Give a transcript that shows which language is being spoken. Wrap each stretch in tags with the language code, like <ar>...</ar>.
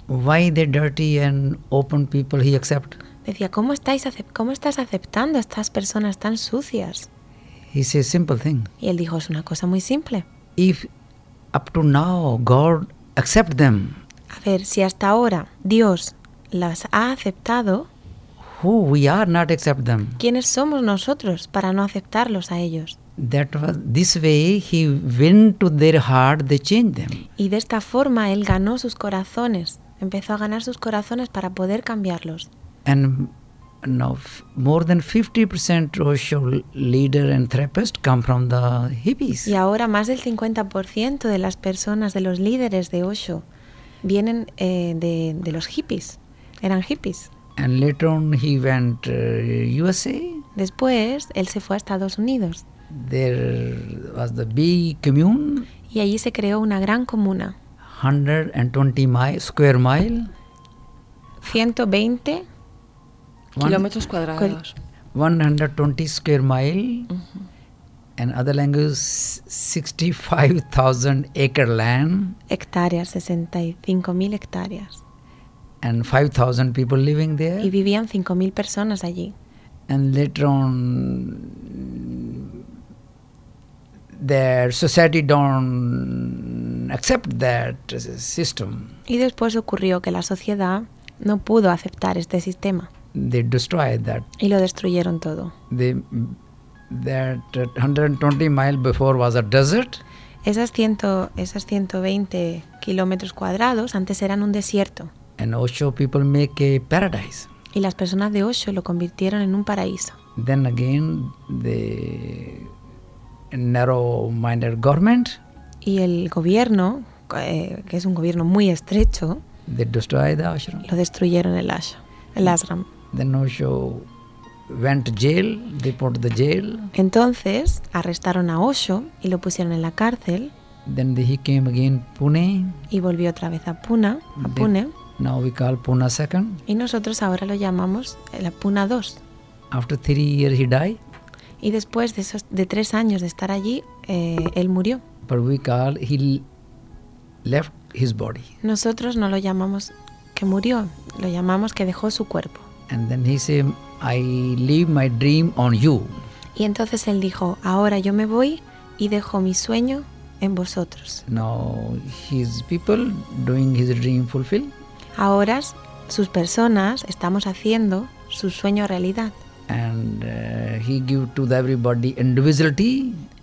<en>Why the dirty and open people he accept?</en> <es>Decía, ¿cómo estás aceptando a estas personas tan sucias?</es> <en>He said simple thing.</en> <es>Y él dijo, es una cosa muy simple.</es> <en>If up to now God accept them.</en> <es>A ver, si hasta ahora Dios las ha aceptado.</es> <en>Who we are not accept them?</en> <es>¿Quiénes somos nosotros para no aceptarlos a ellos?</es> <en>That was this way he went to their heart, they changed them.</en> <es>Y de esta forma él ganó sus corazones, empezó a ganar sus corazones para poder cambiarlos.</es> <en>And now more than 50% Osho leader and therapist come from the hippies.</en> <es>Y ahora más del 50% de las personas, de los líderes de Osho, vienen de los hippies. Eran hippies.</es> <en>And later on he went USA.</en> <es>Después él se fue a Estados Unidos.</es> <en>There was the big commune.</en> <es>Y allí se creó una gran comuna.</es> <en>120 square miles.</en> <es>120 kilómetros cuadrados.</es> <en>120 square mile. Uh-huh. And other language 65,000 acre land.</en> <es>Hectáreas, 65,000 hectáreas.</es> <en>And 5,000 people living there.</en> <es>Y vivían 5,000 personas allí.</es> <en>And later on, their society don't accept that system.</en> <es>Y después ocurrió que la sociedad no pudo aceptar este sistema.</es> <en>They destroyed that.</en> <es>Y lo destruyeron todo.</es> <en>That 120 miles before was a desert.</en> <es>Esas 120 kilómetros cuadrados antes eran un desierto.</es> <en>And Osho people make a paradise.</en> <es>Y las personas de Osho lo convirtieron en un paraíso.</es> <en>Then again, the narrow-minded government.</en> <es>Y el gobierno, que es un gobierno muy estrecho.</es> <en>They destroyed the ashram.</en> <es>Lo destruyeron el ashram.</es> <en>Then Osho went to jail, they put the jail.</en> <es>Entonces arrestaron a Osho y lo pusieron en la cárcel.</es> <en>Then he came again Pune.</en> <es>Y volvió otra vez a Pune.</es> <en>Now we call Pune second.</en> <es>Y nosotros ahora lo llamamos la Pune 2.</es> <en>After 3 years he died.</en> <es>Y después de 3 años de estar allí, él murió.</es> <en>But we call he left his body.</en> <es>Nosotros no lo llamamos que murió, lo llamamos que dejó su cuerpo.</es> <en>And then he said, I leave my dream on you.</en> <es>Y entonces él dijo, ahora yo me voy y dejo mi sueño en vosotros.</es> <en>Now his people doing his dream fulfill.</en> <es>Ahora sus personas estamos haciendo su sueño realidad.</es> <en>And he give to everybody individuality.</en>